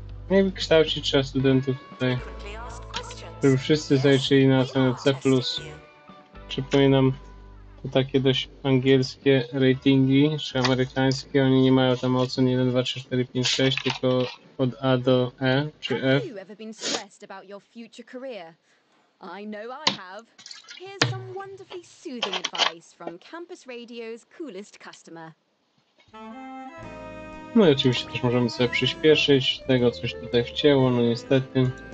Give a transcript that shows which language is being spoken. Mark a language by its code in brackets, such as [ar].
[pl] Nie wykształcić trzeba studentów tutaj, żeby wszyscy zaliczyli na ocenę C+. Przypominam, to takie dość angielskie ratingi, czy amerykańskie. Oni nie mają tam ocen 1, 2, 3, 4, 5, 6, tylko od A do E, czy F. [en] Have you ever been stressed about your future career? I know I have. Here's some wonderfully soothing advice from Campus Radio's coolest customer. [pl] No i oczywiście też możemy sobie przyspieszyć tego, coś tutaj wcięło, no niestety.